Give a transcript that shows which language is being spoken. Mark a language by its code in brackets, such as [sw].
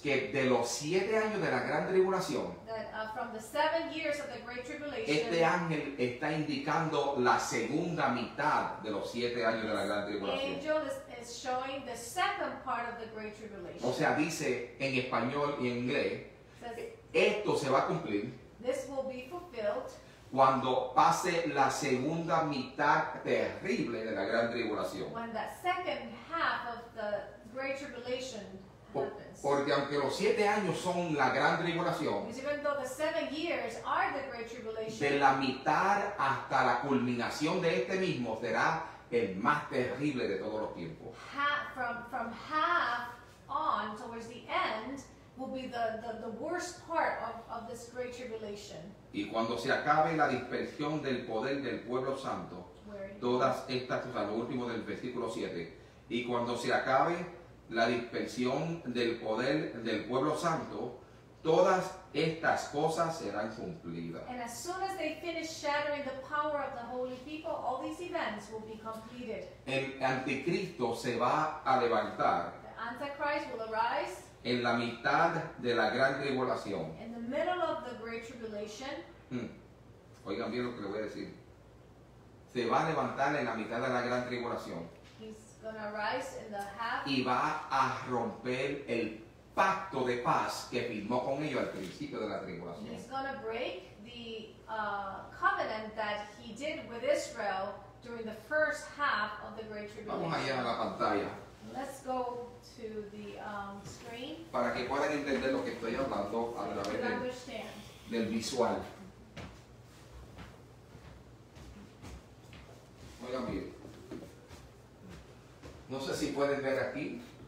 [es] Que de los 7 años de la gran tribulación. [en] That from the 7 years of the great tribulation. [es] Este ángel está indicando la segunda mitad de los 7 años de la gran tribulación. [en] The angel is showing the second part of the great tribulation. [es] O sea, dice en español y en inglés. Esto se va a cumplir. [en] This will be fulfilled. [es] Cuando pase la segunda mitad terrible de la gran tribulación. [en] When the second half of the great tribulation happens. [es] Porque aunque los 7 años son la gran tribulación, [en] even though the 7 years are the great tribulation, [es] de la mitad hasta la culminación de este mismo será el más terrible de todos los tiempos. [en] From half on towards the end will be the worst part of this great tribulation. [es] Y cuando se acabe la dispersión del poder del pueblo santo, todas estas cosas, lo último del versículo 7, y cuando se acabe la dispersión del poder del pueblo santo, todas estas cosas serán cumplidas. [en] And as soon as they finish shattering the power of the holy people, all these events will be completed. [es] El anticristo se va a levantar. [en] The Antichrist will arise. [es] En la mitad de la gran tribulación. [en] In the middle of the great tribulation. [es] Oigan bien lo que le voy a decir. Se va a levantar en la mitad de la gran tribulación. [en] Gonna rise in the half. [es] Y va a romper el pacto de paz que firmó con ellos al principio de la tribulación. [en] He's going to break the covenant that he did with Israel during the first half of the Great Tribulation. [es] Vamos allá a la pantalla. [en] Let's go to the screen. [es] Para que puedan entender lo que estoy hablando a través del visual. Oigan bien. No sé si pueden ver aquí.